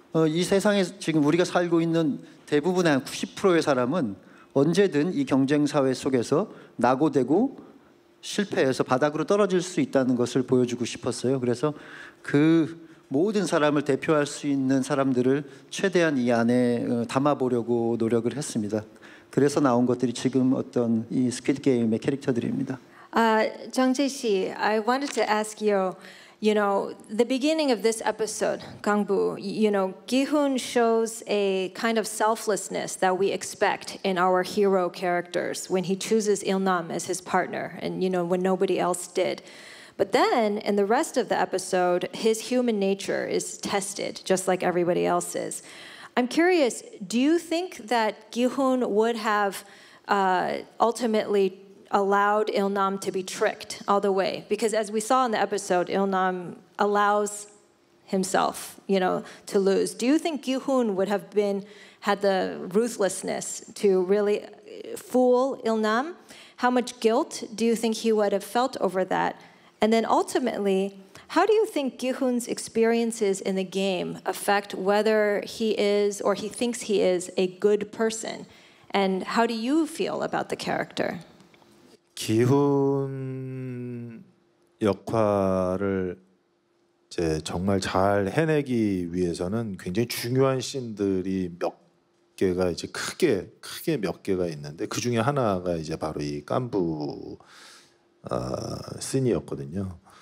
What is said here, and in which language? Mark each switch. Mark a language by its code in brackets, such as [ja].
[ko] 이 세상에 지금 우리가 살고 있는 대부분의 한 90%의 사람은 언제든 이 경쟁 사회 속에서 낙오되고 실패해서 바닥으로 떨어질 수 있다는 것을 보여주고 싶었어요. 그래서 그 모든 사람을 대표할 수 있는 사람들을 최대한 이 안에 담아보려고 노력을 했습니다. 그래서 나온 것들이 지금 어떤 이 스퀴드 게임의 캐릭터들입니다. [en] 정재 씨, I wanted to ask you, you know, the beginning of this episode, Gangbu, you know, Gi-hun shows a kind of selflessness that we expect in our hero characters when he chooses Il-nam as his partner and, you know, when nobody else did. But then in the rest of the episode, his human nature is tested just like everybody else's. I'm curious, do you think that Gi-hun would have ultimately allowed Il-nam to be tricked all the way? Because as we saw in the episode, Il-nam allows himself, you know, to lose. Do you think Gi-hun would have been, had the ruthlessness to really fool Il-nam? How much guilt do you think he would have felt over that? And then ultimately, how do you think Gi-hun's experiences in the game affect whether he is or he thinks he is a good person? And how do you feel about the character? [ko] 기훈 역할을 이제 정말 잘 해내기 위해서는 굉장히 중요한 씬들이 몇 개가 이제 크게 몇 개가 있는데 그 중에 하나가 이제 바로 이 깐부 씬이었거든요.